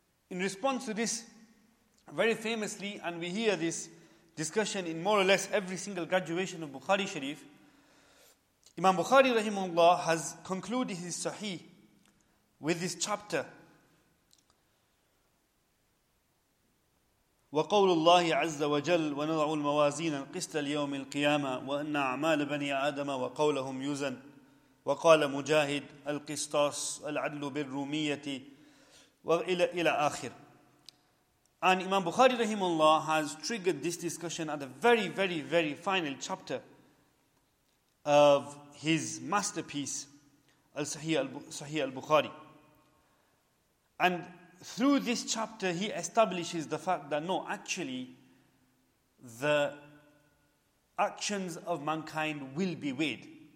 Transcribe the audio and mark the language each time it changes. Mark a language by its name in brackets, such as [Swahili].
[English] In response to this, very famously, and we hear this discussion in more or less every single graduation of Bukhari Sharif, Imam Bukhari rahimahullah has concluded his Sahih with this chapter. [Arabic] وقول الله عز وجل ونضع الموازين القسط ليوم القيامة وأن أعمال بني آدم وقولهم يوزن وقال مجاهد القسطاس العدل بالرومية وإلى إلى آخر. [English] And Imam Bukhari rahimullah has triggered this discussion at a very very very final chapter of his masterpiece Sahih al-Bukhari. And through this chapter, he establishes the fact that no, actually, the actions of mankind will be weighed.